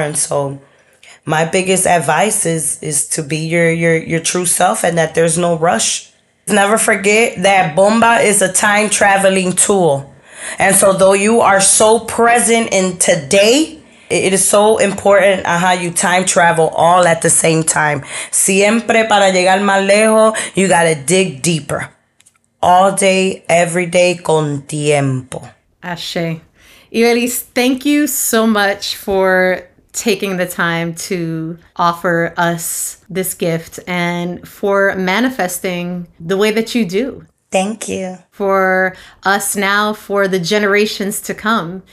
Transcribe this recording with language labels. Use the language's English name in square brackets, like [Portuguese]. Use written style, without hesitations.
[English] And so my biggest advice is to be your true self and that there's no rush. Never forget that Bomba is a time traveling tool. And so though you are so present in today, it is so important how you time travel all at the same time. [Spanish] Siempre para llegar más lejos, [English] you got to dig deeper. All day, every day, [Spanish] con tiempo. [English] Ashe. Ibelis, thank you so much for taking the time to offer us this gift and for manifesting the way that you do. Thank you. For us now, for the generations to come.